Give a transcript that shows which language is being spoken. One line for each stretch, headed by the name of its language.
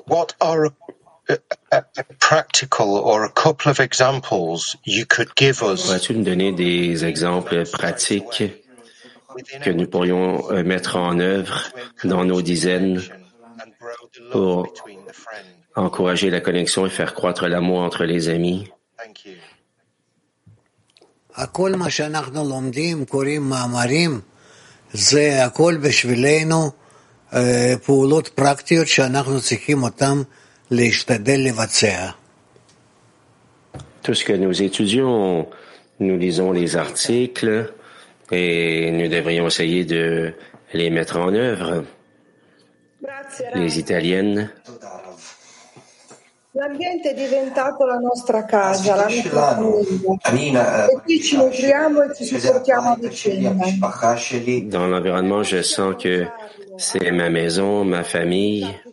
English: What are a practical or a couple of examples you could give us?
French: Pourrais-tu nous donner des exemples pratiques que nous pourrions mettre en œuvre dans nos dizaines pour encourager la connexion et faire croître l'amour entre les amis.
English: Thank you.
Hebrew: זה הכל בשבילנו פעולות פרקטיות שאנחנו צריכים אותם להשתדל לבצע.
French: Tout ce que nous étudions, nous lisons les articles et nous devrions essayer de les mettre en œuvre. Les italiennes.
Italian: L'ambiente è diventato la nostra casa, la nostra famiglia. E qui ci nutriamo e ci supportiamo a vicenda.
French: Dans l'environnement, je sens que c'est ma maison, ma famille.